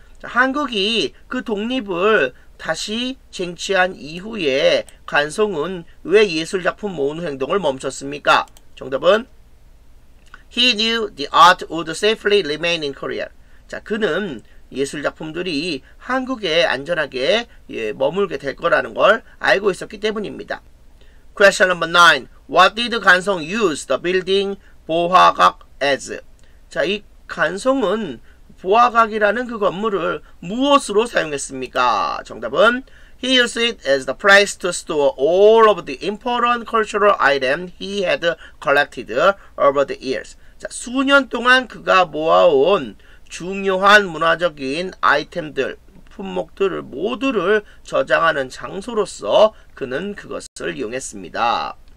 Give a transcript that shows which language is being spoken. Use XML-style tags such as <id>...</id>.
<ko>자, 한국이 그 독립을 다시 쟁취한 이후에 간송은 왜 예술작품 모으는 행동을 멈췄습니까? 정답은</ko> <en>He knew the art would safely remain in Korea.</en> <ko>자, 그는 예술작품들이 한국에 안전하게 머물게 될 거라는 걸 알고 있었기 때문입니다.</ko> <en>Question number 9. What did 간송 use the building 보화각 as?</en> <ko>자, 이 간송은 보화각이라는 그 건물을 무엇으로 사용했습니까? 정답은</ko> <en>He used it as the place to store all of the important cultural items he had collected over the years.</en> <ko>자, 수년 동안 그가 모아온 중요한 문화적인 아이템들, 품목들을 모두를 저장하는 장소로서 그는 그것을 이용했습니다.</ko>